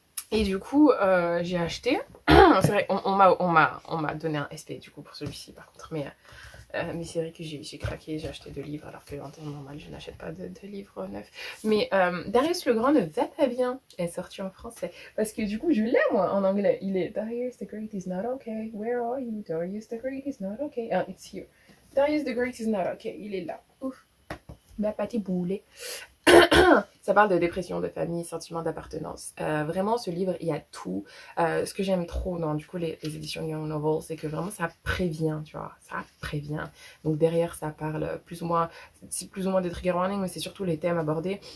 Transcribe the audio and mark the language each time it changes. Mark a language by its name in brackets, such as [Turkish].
[French] Et du coup, j'ai acheté. C'est vrai, on m'a donné un SP du coup pour celui-ci par contre. Mais c'est vrai que j'ai craqué, j'ai acheté deux livres, alors que en temps normal, je n'achète pas de livres neufs. Mais Darius le Grand ne va pas bien, est sorti en français. Parce que du coup, je l'ai moi en anglais. Il est [English] Darius the Great is not okay. Where are you? Darius the Great is not okay. Ah, it's here. Darius the Great is not okay. [French] Il est là. Ouf. Ma pâté boulée. Ça parle de dépression, de famille, sentiment d'appartenance. Vraiment, ce livre, il y a tout. Ce que j'aime trop dans, du coup, les éditions Young Novel, c'est que vraiment, ça prévient, tu vois. Ça prévient. Donc derrière, ça parle plus ou moins, c'est plus ou moins des trigger warnings, mais c'est surtout les thèmes abordés.